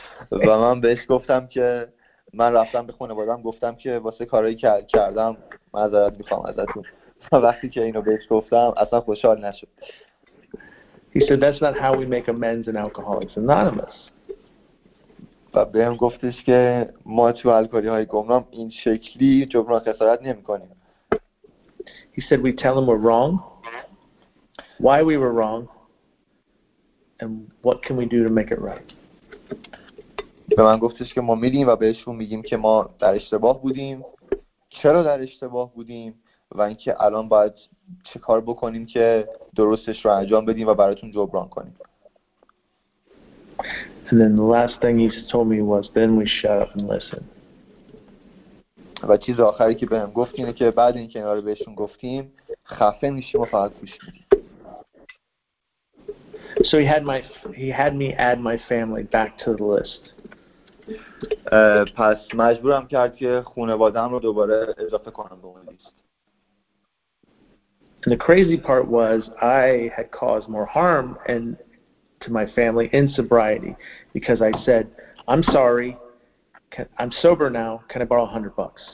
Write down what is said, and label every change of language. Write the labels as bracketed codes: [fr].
[fa] و من بهش گفتم که من رفتم به خانوادم گفتم که واسه کاری که کردم معذرت میخوام ازتون و وقتی که اینو بهش گفتم اصلا خوشحال نشد. [en] He said that's not how we make amends in Alcoholics Anonymous. [fa] و بهم گفتش که ما تو الکلی های گمنام این شکلی جبران خسارت نمی کنیم. [en] He said we tell them we're wrong, why we were wrong, and what can we do to make it right. [fa] به من گفتش که ما میدیم و بهشون میگیم که ما در اشتباه بودیم، چرا در اشتباه بودیم و اینکه الان باید چه کار بکنیم که درستش رو انجام بدیم و براتون جبران کنیم. [en] And then the last thing he told me was then we shut up and listen. [fa] و چیز آخری که بهم گفت اینه که بعد اینکه اینا رو بهشون گفتیم خفه میشیم و فقط گوش میدیم. [en] So he had me add my family back to the list. [fa] پس مجبورم کرد که خانواده‌ام رو دوباره اضافه کنم به اون لیست. [en] And the crazy part was I had caused more harm and to my family in sobriety because I said, I'm sorry, I'm sober now, can I borrow $100?